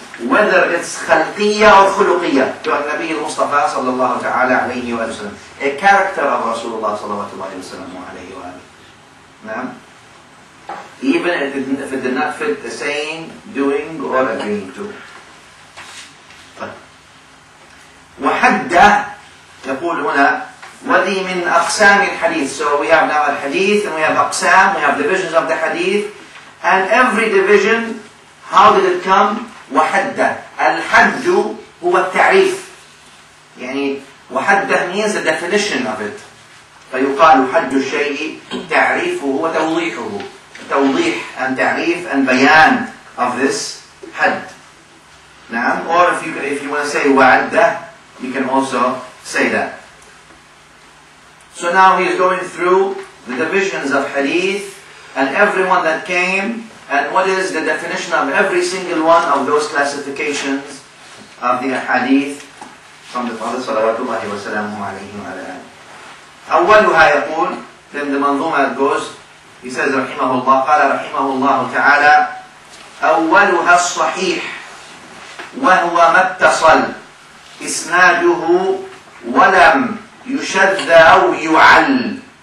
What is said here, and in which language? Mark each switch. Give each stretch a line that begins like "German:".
English: Whether it's khalqiyya or khuluqiyya. To al-Nabi al-Mustafa sallallahu ta'ala alayhi wa sallam. A character of Rasulullah sallallahu alayhi wa sallam. Wa even if it did not fit the saying, doing or agreeing to.
Arabic: وحدّة يقول هنا وذي من أقسام الحديث.
English: So we have now الحديث and we have أقسام, we have divisions of the hadith. And every division, how did it come? وحدّة.
Arabic: الحد هو التعريف. يعني وحدّة means the definition of it. فيقال حد الشيء تعريفه وتوضيحه.
English: توضيح and تعريف and بيان of this حد.
Arabic: نعم.
English: Or if you want to say وعدّة, you can also say that. So now he is going through the divisions of hadith and everyone that came and what is the definition of every single one of those classifications of the hadith from the Prophet صلوات الله وسلامه عليه وعلى آله.
Arabic: أولها يقول, then the manzuma goes, he says رحمه الله, قال رحمه الله تعالى أولها الصحيح وهو ما اتصل إسناده ولم يشذ أو يعل.